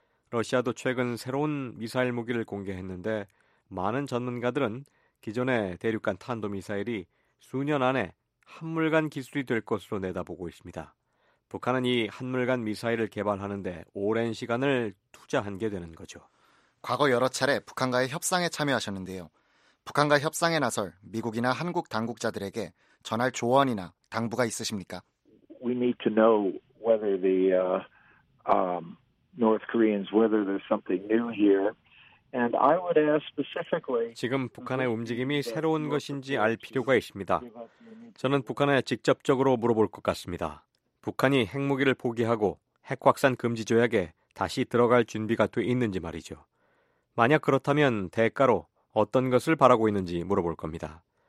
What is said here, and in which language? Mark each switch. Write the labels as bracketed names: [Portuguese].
[Korean] 러시아도 최근 새로운 미사일 무기를 공개했는데 많은 전문가들은 기존의 대륙간 탄도미사일이 수년 안에 한물간 기술이 될 것으로 내다보고 있습니다. 북한은 이 한물간 미사일을 개발하는데 오랜 시간을 투자한 게 되는 거죠. 과거 여러 차례 북한과의 협상에 참여하셨는데요. 북한과 협상에 나설 미국이나 한국 당국자들에게 전할 조언이나 당부가 있으십니까? [English] We need to know whether the North Koreans whether there's something new here. And I would ask specifically [Korean] 지금 북한의 움직임이 새로운 것인지 알 필요가 있습니다. 저는 북한에 직접적으로 물어볼 것 같습니다. 북한이 핵무기를 포기하고 핵확산 금지 조약에 다시 들어갈 준비가 돼 있는지 말이죠. 만약 그렇다면 대가로 어떤 것을 바라고 있는지 물어볼 겁니다.